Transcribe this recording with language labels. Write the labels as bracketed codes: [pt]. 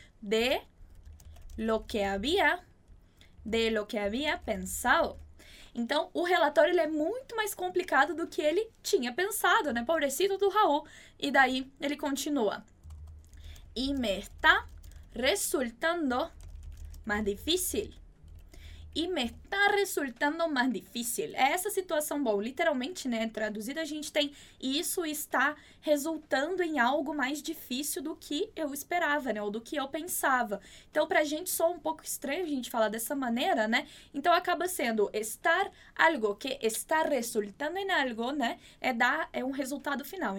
[es] De lo que havia pensado. [pt] Então, o relatório ele é muito mais complicado do que ele tinha pensado, né? Pobrecito do Raul. E daí, ele continua. E me está [es] resultando más difícil. [pt] E me está resultando mais difícil. É essa situação, bom, literalmente, né, traduzida, a gente tem isso está resultando em algo mais difícil do que eu esperava, né, ou do que eu pensava. Então, pra gente, soa um pouco estranho a gente falar dessa maneira, né? Então, acaba sendo estar algo que está resultando em algo, né, é um resultado final.